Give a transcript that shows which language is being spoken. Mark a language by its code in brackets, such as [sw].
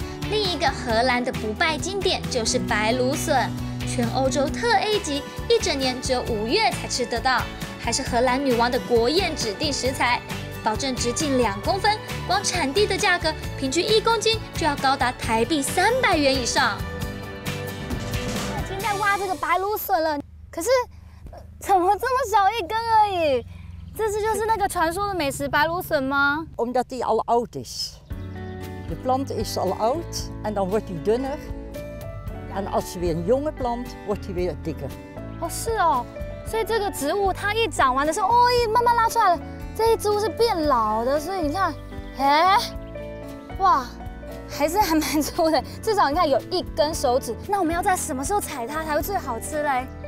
[zh] 另一个荷兰的不败经典就是白芦笋，全欧洲特 A 级，一整年只有五月才吃得到，还是荷兰女王的国宴指定食材，保证直径2公分，光产地的价格平均1公斤就要高达台币300元以上。我已经在挖这个白芦笋了，可是怎么这么小一根而已？这是就是那个传说的美食白芦笋吗？ [nl] Omdat die al oud is. De plant is al oud en dan wordt die dunner. En als je weer een jonge plant, wordt die weer dikker. [zh] 哦，是哦，所以这个植物它一长完的时候，哦，一慢慢拉出来了。这一株是变老的，所以你看，哎，哇，还是还蛮粗的，至少你看有一根手指。那我们要在什么时候采它才会最好吃嘞？